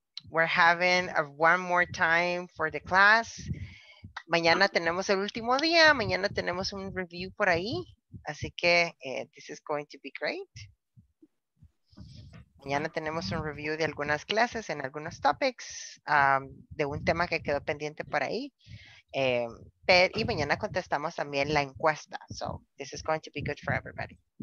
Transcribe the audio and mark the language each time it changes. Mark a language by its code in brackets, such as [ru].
[en] We're having a one more time for the class. [es] Mañana tenemos el último día. Mañana tenemos un review por ahí. Así que [en] this is going to be great. [es] Mañana tenemos un review de algunas clases en algunos topics, de un tema que quedó pendiente por ahí. Y mañana contestamos también la encuesta. [en] So this is going to be good for everybody.